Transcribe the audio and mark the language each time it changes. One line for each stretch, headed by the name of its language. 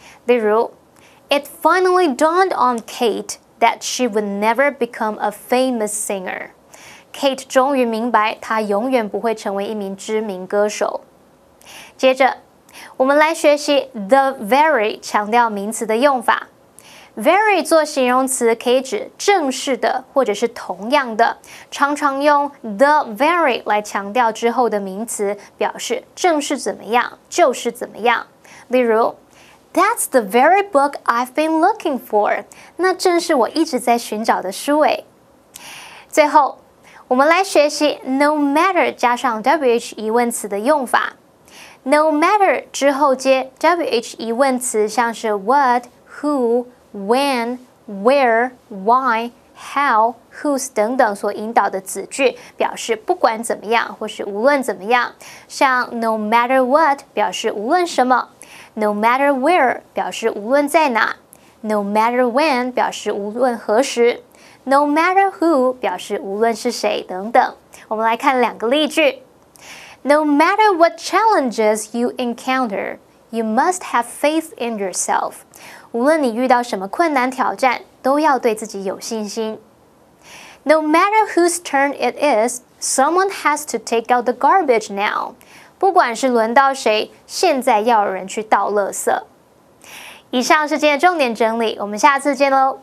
Chinese: 例如
English: It finally dawned on Kate that she would never become a famous singer.
Chinese: Kate 终于明白她永远不会成为一名知名歌手。接着我们来学习 the very 强调名词的用法。 Very 做形容词可以指正式的或者是同样的，常常用 the very 来强调之后的名词，表示正是怎么样就是怎么样。例如
English: That's the very book I've been looking for.
Chinese: 那正是我一直在寻找的书诶。最后我们来学习 no matter 加上 wh 疑问词的用法。 no matter 之后接 wh 疑问词，像是 what, who, when, where, why, how, whose 等等所引导的子句，表示不管怎么样或是无论怎么样。像 no matter what 表示无论什么，No matter where 表示无论在哪， No matter when 表示无论何时， No matter who 表示无论是谁等等。我们来看两个例句。
English: No matter what challenges you encounter, you must have faith in yourself.
Chinese: 无论你遇到什么困难挑战，都要对自己有信心。
English: No matter whose turn it is, someone has to take out the garbage now.
Chinese: 不管是轮到谁，现在要有人去倒垃圾。以上是今天的重点整理，我们下次见咯。